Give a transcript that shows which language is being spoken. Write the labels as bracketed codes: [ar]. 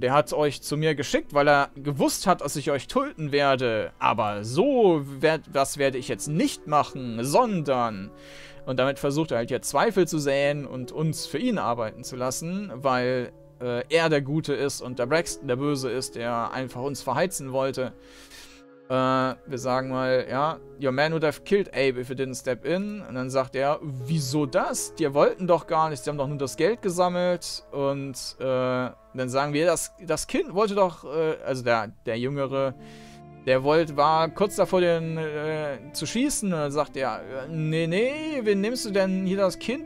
[de] Der hat euch zu mir geschickt, weil er gewusst hat, dass ich euch töten werde. Aber so, das werde ich jetzt nicht machen, sondern... Und damit versucht er halt hier Zweifel zu säen und uns für ihn arbeiten zu lassen, weil er der Gute ist und der Braxton der Böse ist, der einfach uns verheizen wollte. Wir sagen mal, ja, [en] your man would have killed Abe if you didn't step in. [de] Und dann sagt er, wieso das? Die wollten doch gar nichts, die haben doch nur das Geld gesammelt. Und dann sagen wir, das Kind wollte doch, also der Jüngere, der war kurz davor, den zu schießen. Und dann sagt er, nee, wen nimmst du denn hier das Kind?